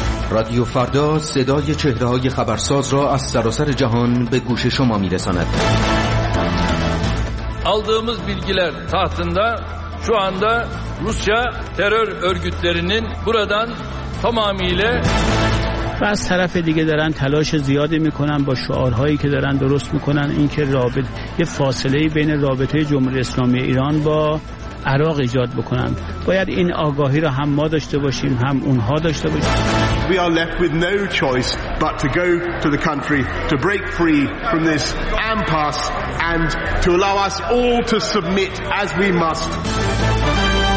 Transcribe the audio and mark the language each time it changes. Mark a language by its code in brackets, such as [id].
[fa] رادیو فردا صدای چهره‌های خبرساز را از سراسر جهان به گوش شما می‌رساند. [tr] aldığımız bilgiler tahtında şu anda Rusya terör örgütlerinin buradan tamamıyla [fa] و از طرف دیگه دارن تلاش زیادی میکنن با شعارهایی که دارن درست میکنن، اینکه رابطه یه فاصله بین رابطه جمهوری اسلامی ایران با عراق ایجاد بکنن. باید این آگاهی را هم ما داشته باشیم هم اونها داشته باشیم. [en] We are left with no choice but to go to the country to break free from this impasse and to allow us all to submit as we must.